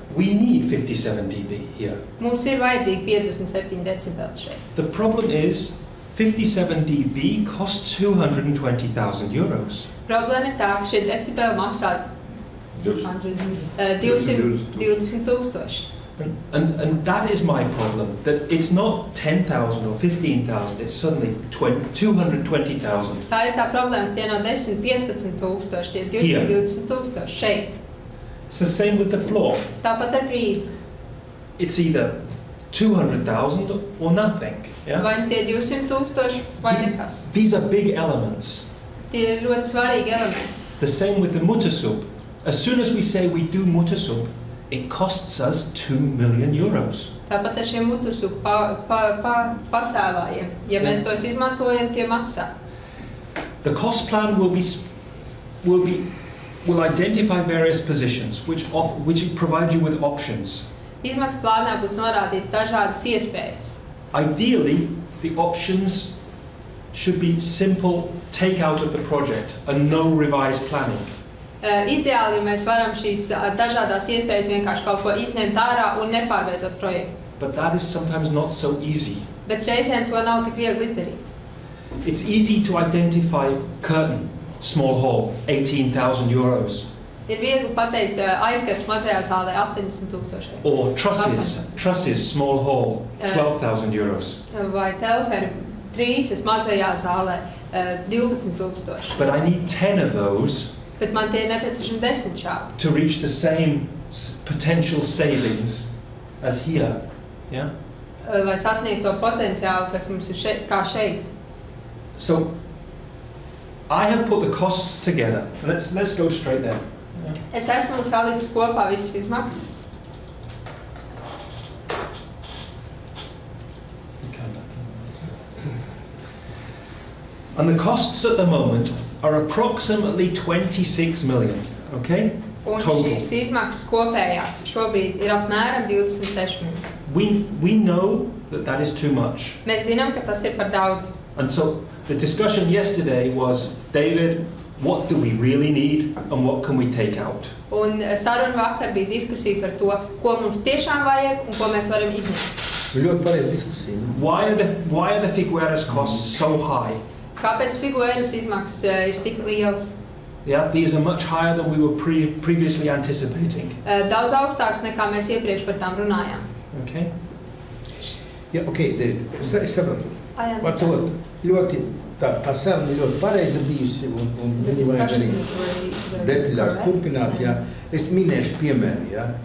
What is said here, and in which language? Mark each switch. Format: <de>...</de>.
<en>we need 57 dB here.</en> <lv>Mums ir vajadzīgi 57 decibeli šeit.</lv> <en>The problem is, 57 dB costs 220,000 euros.</en> <lv>Problēma ir tā, ka šie decibeli maksā 220 tūkstoši.</lv> <en>And that is my problem, that it's not 10,000 or 15,000, it's suddenly 220,000.</en> <lv>Tā ir tā problēma, tie nav 10-15,000, tie ir 220,000 šeit.</lv> <en>It's the same with the floor.</en> <lv>Tāpat ar grīdu.</lv> <en>It's either 200,000 or nothing. Yeah?</en> <lv>Vai tie 200,000 vai nekas.</lv> <en>These are big elements.</en> <lv>Tie ir ļoti svarīgi elementi.</lv> <en>The same with the mutasup. As soon as we say we do mutasup, it costs us 2 million euros.</en> <lv>Tāpat ar šiem mutasup pacēlājiem. Ja mēs tos izmantojam, tie maksā.</lv> <en>The cost plan will identify various positions which provide you with options.</en> <lv>Izmantu plānā būs norādīts dažādas iespējas.</lv> <en>Ideally, the options should be simple take out of the project and no revised planning.</en> <lv>Ideāli mēs varam šīs dažādās iespējas vienkārši kaut ko izņemt ārā un nepārveidot projektu.</lv> <en>But that is sometimes not so easy.</en> <lv>Bet reizēm to nav tik viegli izdarīt.</lv> <en>It's easy to identify curtain, small hall, 18,000 euros.</en> <lv>Ir viegli pateikt aizkarts mazajā zālē 80,000 eiro.</lv> <en>Or trusses, small hall, 12,000 euros.</en> <lv>Vai telferi, trīsas mazajā zālē 12,000.</lv> <en>But I need 10 of those.</en> <lv>Bet man tie nepieciešam 10 šādi.</lv> <en>To reach the same potential savings as here. Yeah?</en> <lv>Lai sasniegt to potenciālu, kas mums ir šeit, kā šeit.</lv> <en>So, I have put the costs together. Let's go straight there. Yeah.</en> <lv>Es esmu salicis kopā visas izmaksas.</lv> <en>And the costs at the moment are approximately 26 million, okay? Total.</en> <lv>Šīs izmaksas kopējās šobrīd ir apmēram 26 miljoni.</lv> <en>We know that that is too much.</en> <lv>Mēs zinām, ka tas ir par daudz.</lv> <en>And so the discussion yesterday was, David, what do we really need and what can we take out?</en> <lv>Un saruna vakar bija diskusija par to, ko mums tiešām vajag un ko mēs varam izņemt. Ļoti pareiza diskusija.</lv> <en>Why are the figueras costs so high?</en> <lv>Kāpēc figueras izmaksas ir tik lielas?</lv> <en>Yeah, these are much higher than we were previously anticipating.</en> <lv>Daudz augstāks nekā mēs iepriekš par tām runājām.</lv> <en>Okay. Yeah, okay, David.</en> <lv>Es saprotu. Vatot, ļoti, tā saruna ļoti pareiza bijusi un viņi vajag arī detaļās turpināt, jā. Es minēšu piemēru, jā.</lv>